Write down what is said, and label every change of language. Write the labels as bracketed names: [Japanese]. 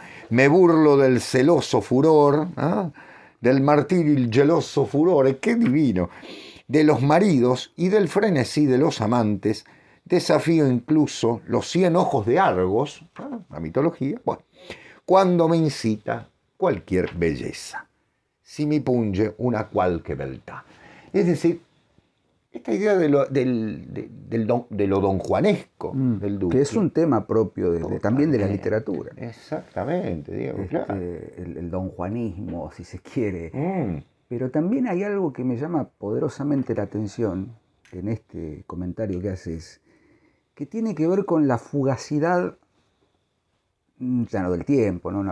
[Spanish] Me burlo del celoso furor, ¿ah? Del martirio y el geloso furor. ¡Qué divino! De los maridos y del frenesí de los amantes. Desafío incluso los 100 ojos de Argos, ¿ah? La mitología. Bueno, cuando me incita cualquier belleza. [Italian] Si me punge una qualche beltà. [Spanish] Es decir, esta idea de lo donjuanesco, del duque. Que es un tema propio también de la literatura. Exactamente, Diego, claro. El donjuanismo, si se quiere. Pero también hay algo que me llama poderosamente la atención en este comentario que haces, que tiene que ver con la fugacidad, ya no del tiempo, ¿no?